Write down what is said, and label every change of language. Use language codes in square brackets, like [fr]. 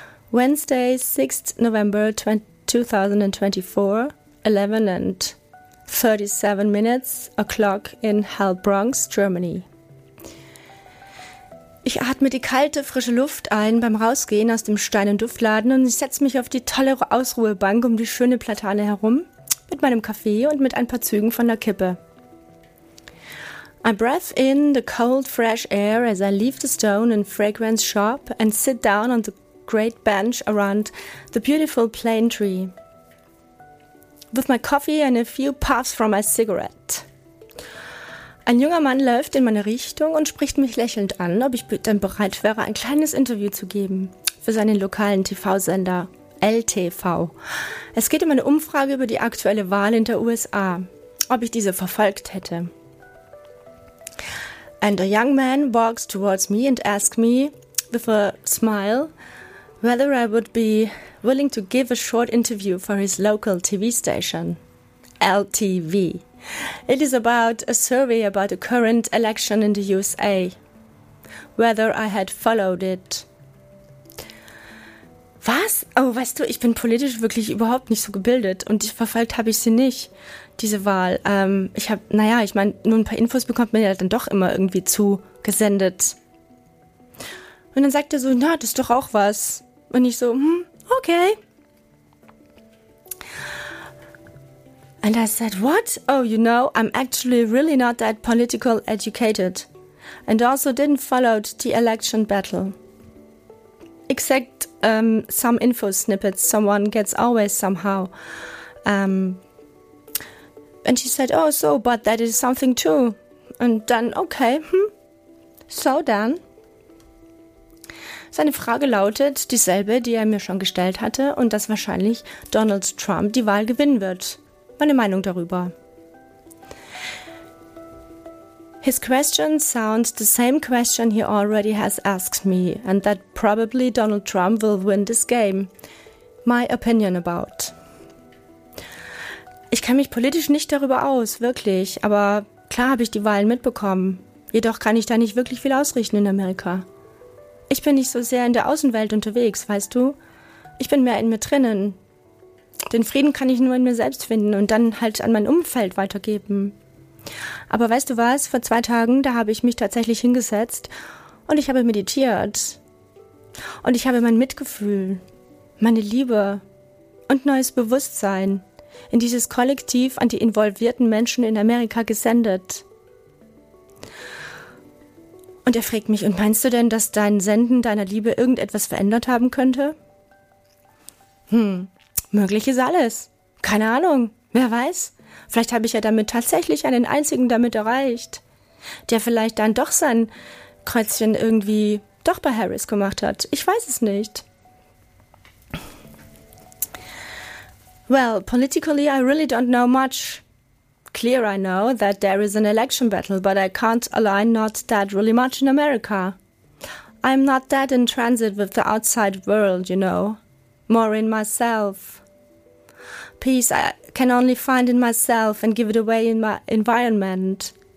[en] Wednesday, 6th November 2024, 11 and 37 minutes o'clock in Heilbronn, Germany. [de] Ich atme die kalte, frische Luft ein beim Rausgehen aus dem Stein- und Duftladen und ich setze mich auf die tolle Ausruhebank um die schöne Platane herum mit meinem Kaffee und mit ein paar Zügen von der Kippe. [en] I breath in the cold, fresh air as I leave the stone and fragrance shop and sit down on the great bench around the beautiful plane tree with my coffee and a few puffs from my cigarette. [de] Ein junger Mann läuft in meine Richtung und spricht mich lächelnd an, ob ich denn bereit wäre, ein kleines Interview zu geben für seinen lokalen TV-Sender LTV. Es geht um eine Umfrage über die aktuelle Wahl in der USA, ob ich diese verfolgt hätte. [en] And a young man walks towards me and asks me with a smile whether I would be willing to give a short interview for his local TV station, LTV. It is about a survey about the current election in the USA, whether I had followed it. [de] Was? Oh, weißt du, ich bin politisch wirklich überhaupt nicht so gebildet und verfolgt habe ich sie nicht, diese Wahl. Nur ein paar Infos bekommt man ja dann doch immer irgendwie zugesendet. Und dann sagt er so, na, das ist doch auch was. Und ich so, okay. [en] And I said, what? Oh, you know, I'm actually really not that political educated. And also didn't follow the election battle. Except some info snippets someone gets always somehow. And she said, oh, so, but that is something too. And then, okay, So then. [de] Seine Frage lautet dieselbe, die er mir schon gestellt hatte und dass wahrscheinlich Donald Trump die Wahl gewinnen wird. Meine Meinung darüber. [en] His question sounds the same question he already has asked me and that probably Donald Trump will win this game. My opinion about. [de] Ich kenne mich politisch nicht darüber aus, wirklich, aber klar habe ich die Wahlen mitbekommen. Jedoch kann ich da nicht wirklich viel ausrichten in Amerika. Ich bin nicht so sehr in der Außenwelt unterwegs, weißt du? Ich bin mehr in mir drinnen. Den Frieden kann ich nur in mir selbst finden und dann halt an mein Umfeld weitergeben. Aber weißt du was? Vor 2 Tagen, da habe ich mich tatsächlich hingesetzt und ich habe meditiert. Und ich habe mein Mitgefühl, meine Liebe und neues Bewusstsein in dieses Kollektiv an die involvierten Menschen in Amerika gesendet. Und er fragt mich, und meinst du denn, dass dein Senden deiner Liebe irgendetwas verändert haben könnte? Möglich ist alles. Keine Ahnung. Wer weiß? Vielleicht habe ich ja damit tatsächlich einen einzigen damit erreicht, der vielleicht dann doch sein Kreuzchen irgendwie doch bei Harris gemacht hat. Ich weiß es nicht. [en] Well, politically, I really don't know much. Clear, I know that there is an election battle, but I can't align not that really much in America. I'm not that in transit with the outside world, you know. More in myself. Peace I can only find in myself and give it away in my environment.